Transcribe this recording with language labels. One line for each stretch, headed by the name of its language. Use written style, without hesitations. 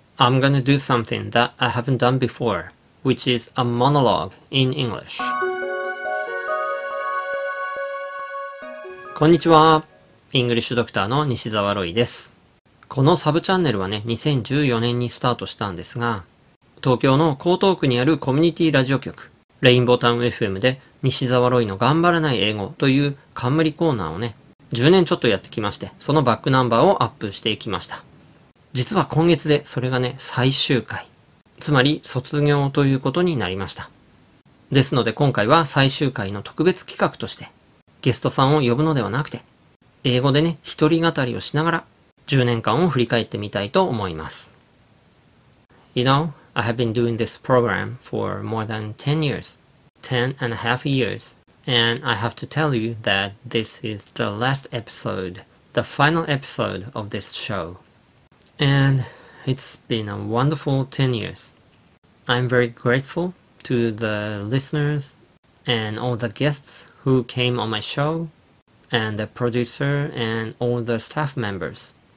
English: I'm gonna do something that I haven't done before, which is a monologue in English.
Japanese: こんにちは。イングリッシュドクターの西澤ロイです。このサブチャンネルはね、2014年にスタートしたんですが、東京の江東区にあるコミュニティラジオ局、レインボータウン FM で西澤ロイの頑張らない英語という冠コーナーをね、10年ちょっとやってきまして、そのバックナンバーをアップしていきました。実は今月でそれがね、最終回。つまり卒業ということになりました。ですので今回は最終回の特別企画として、ゲストさんを呼ぶのではなくて、英語でね、一人語りをしながら、10年間を振り返ってみたいと思います。
English: You know, I have been doing this program for more than 10 years, 10 and a half years, and I have to tell you that this is the last episode, the final episode of this show. And it's been a wonderful 10 years. I'm very grateful to the listeners and all the guests who came on my show, and the producer and all the staff members.